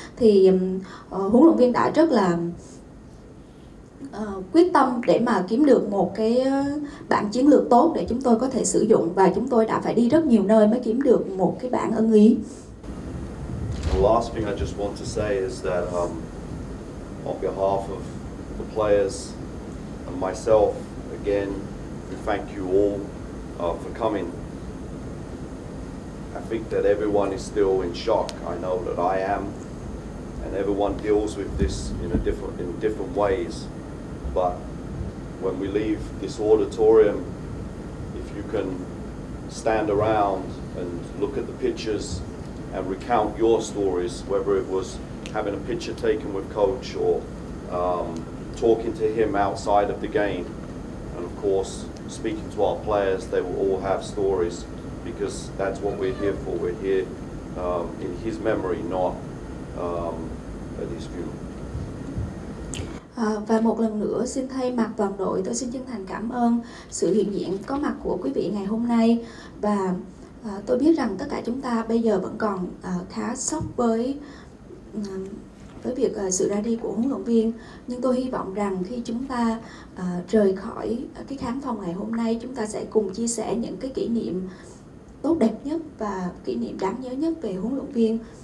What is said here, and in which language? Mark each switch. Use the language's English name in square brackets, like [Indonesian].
[Vietnamese] Thì huấn luyện viên đã rất là quyết tâm để mà kiếm được một cái bảng chiến lược tốt để chúng tôi có thể sử dụng và chúng tôi đã phải đi rất nhiều nơi mới kiếm được một cái bảng ưng ý. [English] The last thing I just want to say is that on behalf of the players and myself, again, we thank you all for coming. I think that everyone is still in shock. I know that I am, and everyone deals with this in different ways. But when we leave this auditorium, if you can stand around and look at the pictures and recount your stories, whether it was having a picture taken with coach or talking to him outside of the game, and of course, speaking to our players, they will all have stories because that's what we're here for. We're here in his memory, not at his funeral. [Vietnamese] Và một lần nữa xin thay mặt toàn đội tôi xin chân thành cảm ơn sự hiện diện có mặt của quý vị ngày hôm nay và tôi biết rằng tất cả chúng ta bây giờ vẫn còn khá sốc với việc sự ra đi của huấn luyện viên nhưng tôi hy vọng rằng khi chúng ta rời khỏi cái khán phòng ngày hôm nay chúng ta sẽ cùng chia sẻ những cái kỷ niệm tốt đẹp nhất và kỷ niệm đáng nhớ nhất về huấn luyện viên.